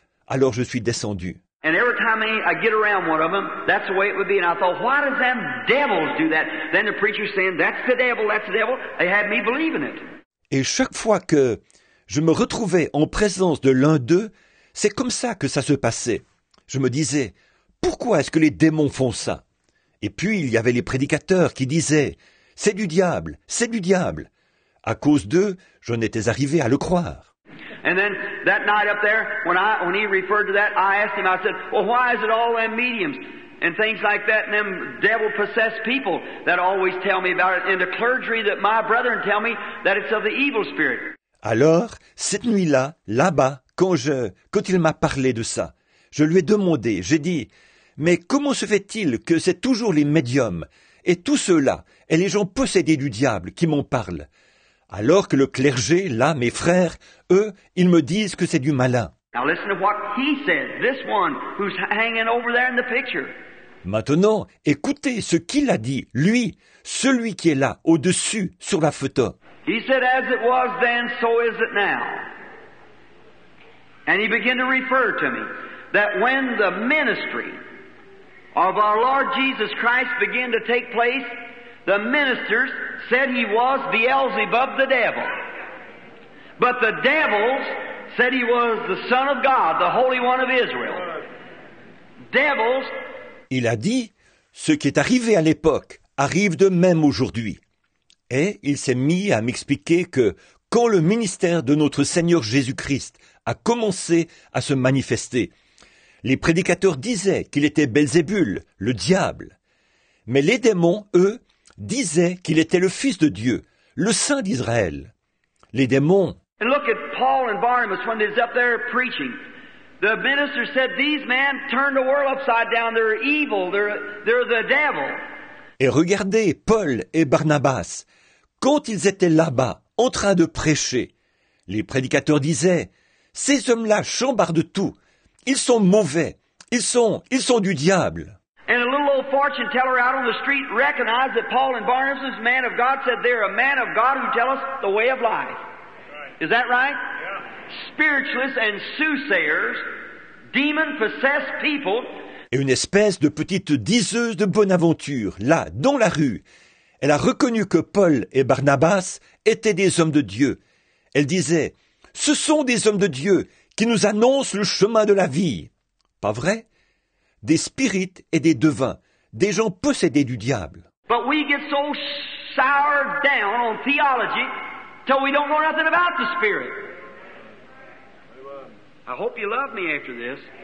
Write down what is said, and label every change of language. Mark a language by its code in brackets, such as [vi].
[fr] Alors je suis descendu. [en] And every time I get around one of them, that's the way it would be. And I thought, why does them devils do that? Then the preacher saying, that's the devil. They had me believing it. [fr] Et chaque fois que je me retrouvais en présence de l'un d'eux, c'est comme ça que ça se passait. Je me disais, pourquoi est-ce que les démons font ça? Et puis il y avait les prédicateurs qui disaient, c'est du diable. À cause d'eux, j'en étais arrivé à le croire. [en] And then that night up there, when he referred to that, I asked him, I said, well, why is it all them mediums and things like that and them devil-possessed people that always tell me about it and the clergy that my brethren tell me that it's of the evil spirit? [fr] Alors, cette nuit-là, là-bas, quand il m'a parlé de ça, je lui ai demandé, j'ai dit, mais comment se fait-il que c'est toujours les médiums et tous ceux-là et les gens possédés du diable qui m'en parlent? Alors que le clergé, là, mes frères, eux, ils me disent que c'est du malin. [en] Now listen to what he said, this one who's hanging over there in the picture. [fr] Maintenant, écoutez ce qu'il a dit, lui, celui qui est là, au-dessus, sur la photo. [en] He said, as it was then, so is it now. And he began to refer to me that when the ministry of our Lord Jesus Christ began to take place, the ministers said he was Beelzebub, the devil. But the devils said he was the Son of God, the Holy One of Israel. Devils. [fr] Il a dit, ce qui est arrivé à l'époque arrive de même aujourd'hui. Et il s'est mis à m'expliquer que quand le ministère de notre Seigneur Jésus-Christ a commencé à se manifester, les prédicateurs disaient qu'il était Belzébul, le diable. Mais les démons, eux, disait qu'il était le Fils de Dieu, le Saint d'Israël. Les démons. [en] And look at Paul and Barnabas when they're up there preaching. The minister said, these men turn the world upside down. They're evil. They're the devil. [fr] Et regardez Paul et Barnabas. Quand ils étaient là-bas, en train de prêcher, les prédicateurs disaient, ces hommes-là chambardent tout. Ils sont mauvais. Ils sont du diable. [en] And a little old fortune teller out on the street recognized that Paul and Barnabas, this man of God, said they're a man of God who tell us the way of life. Right. Is that right? Yeah. Spiritualists and soothsayers, demon-possessed people. [fr] Et une espèce de petite diseuse de bonne aventure, là, dans la rue. Elle a reconnu que Paul et Barnabas étaient des hommes de Dieu. Elle disait, ce sont des hommes de Dieu qui nous annoncent le chemin de la vie. Pas vrai? Des spirites et des devins, des gens possédés du diable. [en] But we get so soured down on theology till we don't know nothing about the spirit. I hope you love me after this.